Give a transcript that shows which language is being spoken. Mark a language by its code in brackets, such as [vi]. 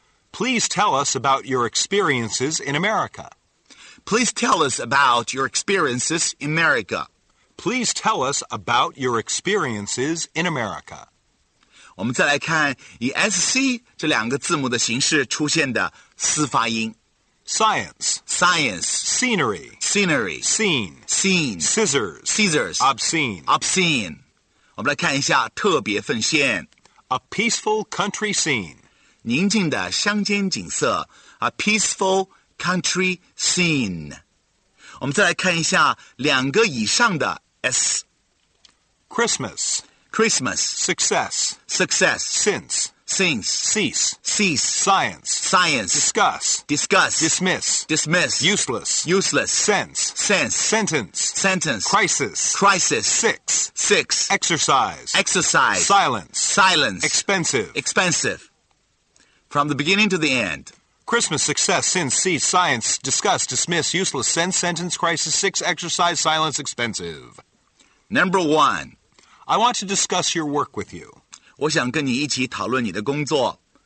[en] Please tell us about your experiences in America. Please tell us about your experiences in America. Please tell us about your experiences in America. [zh] 我们再来看以 SC 这两个字母的形式出现的四发音。 [en] Science, science. Scenery, scenery. Scene, scene. Scissors, scissors. Obscene, obscene. [zh] 我们来看一下特别奉献 [en] A peaceful country scene [zh] 宁静的乡间景色 [en] A peaceful country scene [zh] 我们再来看一下两个以上的 S [en] Christmas Christmas Success Success Since Since Cease Cease Science Science Discuss Discuss Dismiss Dismiss Useless Useless Sense Sense Sentence Sentence Crisis Crisis Six Six. Exercise. Exercise. Silence. Silence. Expensive. Expensive. From the beginning to the end. Christmas, success, sin, see, science, discuss, dismiss, useless, sense, sentence, crisis, six, exercise, silence, expensive. Number one. I want to discuss your work with you. [zh] 我想跟你一起讨论你的工作。